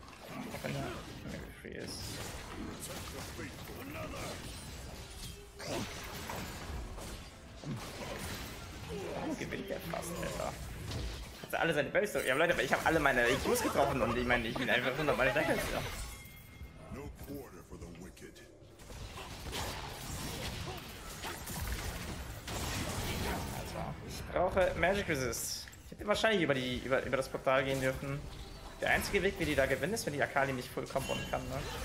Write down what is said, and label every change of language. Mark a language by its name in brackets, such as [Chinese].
[German] Auch wenn er maybe free ist. Warum gewinnt der fast, Alter? Hat er alle seine Bells? Ja, Leute, aber ich habe alle meine IQs getroffen und ich meine, ich bin einfach 100 mal stärker. [English] No quarter for the wicked. [German] Also, ich brauche Magic Resist. Ich hätte wahrscheinlich über das Portal gehen dürfen. Der einzige Weg, wie die da gewinnen, ist, wenn die Akali nicht voll kombonen kann, ne?